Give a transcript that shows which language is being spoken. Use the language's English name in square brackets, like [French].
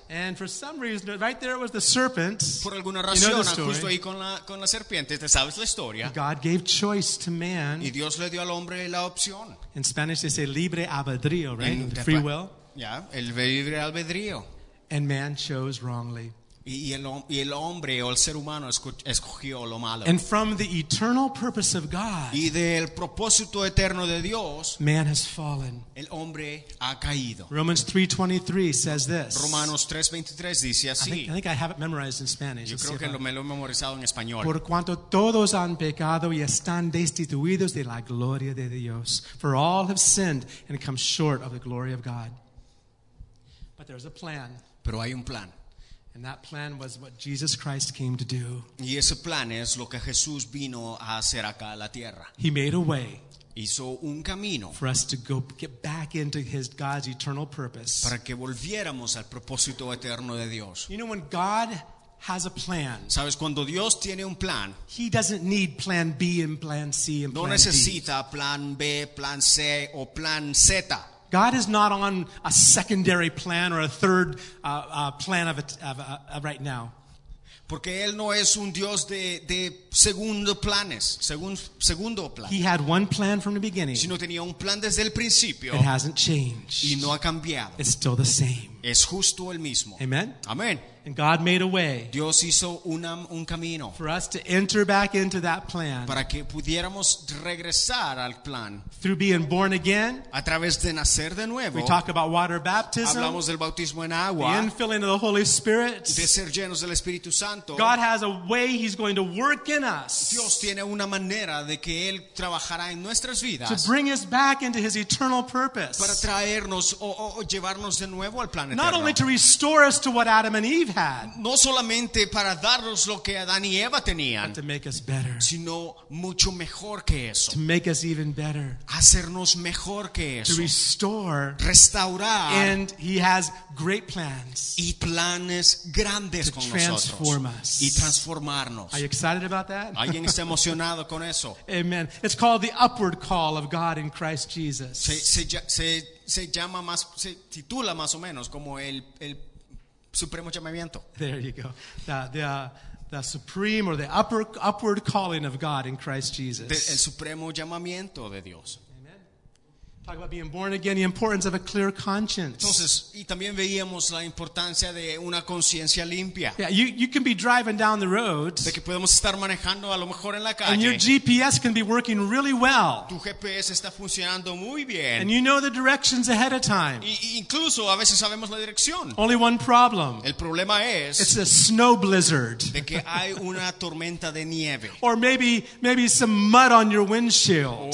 [English] And for some reason, right there was the serpent. [Spanish] Por alguna razón, [English] you know the story. [Spanish] Justo ahí con la serpiente, te sabes la historia. [English] God gave choice to man. [Spanish] Y Dios le dio al hombre la opción. [English] In Spanish, they say libre albedrío, right? The free will. [Spanish] Yeah, el libre albedrío. [English] And man chose wrongly. [Spanish] Y el hombre o el ser humano escogió lo malo. [English] And from the eternal purpose of God, [Spanish] y del propósito eterno de Dios, [English] man has fallen. [Spanish] El hombre ha caído. [English] Romans 3:23 says this. [Spanish] Romanos 3:23 dice así. [English] I think I have it memorized in Spanish. [Spanish] Yo creo que me lo he memorizado en español. Por cuanto todos han pecado y están destituidos de la gloria de Dios. [English] For all have sinned and come short of the glory of God. But there's a plan. [Spanish] Pero hay un plan. [English] And that plan was what Jesus Christ came to do. [Spanish] Y ese plan es lo que Jesús vino a hacer acá a la tierra. [English] He made a way. [Spanish] Hizo un camino. [English] For us to go get back into his God's eternal purpose. [Spanish] Para que volviéramos al propósito eterno de Dios. [English] You know when God has a plan. [Spanish] ¿Sabes cuando Dios tiene un plan? [English] He doesn't need plan B and plan C and plan D. [Spanish] No necesita plan B, plan C o plan Z. [English] God is not on a secondary plan or a third plan of right now. [Spanish] Porque él no es un Dios de segundo planes, segundo plan. [English] He had one plan from the beginning. [Spanish] Sino tenía un plan desde el principio. [English] It hasn't changed. [Spanish] Y no ha cambiado. [English] It's still the same. [Spanish] Es justo el mismo. [English] Amen. [Spanish] Amen. [English] And God made a way. [Spanish] Dios hizo un camino. [English] For us to enter back into that plan. [Spanish] Para que pudiéramos regresar al plan. [English] Through being born again. [Spanish] A través de nacer de nuevo. [English] We talk about water baptism. [Spanish] Hablamos del bautismo en agua. [English] The infilling of the Holy Spirit. [Spanish] De ser llenos del Espíritu Santo. [English] God has a way He's going to work in us. [Spanish] Dios tiene una manera de que él trabajará en nuestras vidas. [English] To bring us back into His eternal purpose. [Spanish] Para traernos o llevarnos de nuevo al plan eterno. [English] Not only to restore us to what Adam and Eve. [Spanish] No solamente para darnos lo que Adán y Eva tenían, [English] to make us better, [Spanish] sino mucho mejor que eso. [English] To make us even better, [Spanish] hacernos mejor que eso. [English] To restore, [Spanish] restaurar. [English] And He has great plans. [Spanish] Y planes grandes [English] to [Spanish] con [English] transform [Spanish] nosotros. Y transformarnos. [English] Are you excited about that? [Spanish] ¿Alguien está emocionado con eso? [English] Amen. It's called the upward call of God in Christ Jesus. [Spanish] Se llama más, se titula más o menos como el supremo llamamiento. [English] There you go. The supreme or the upward calling of God in Christ Jesus. [Spanish] El supremo llamamiento de Dios. [English] Amen. Talk about being born again, the importance of a clear conscience. [Spanish] Entonces, y también veíamos la importancia de una conciencia limpia. [English] Yeah, you can be driving down the road. [Spanish] De que podemos estar manejando a lo mejor en la calle. [English] And your GPS can be working really well. [Spanish] Tu GPS está funcionando muy bien. [English] And you know the directions ahead of time. [Spanish] Y incluso a veces sabemos la dirección. [English] Only one problem. [Spanish] El problema es. [English] It's a snow blizzard. [Spanish] De que hay una tormenta de nieve. [English] Or maybe some mud on your windshield.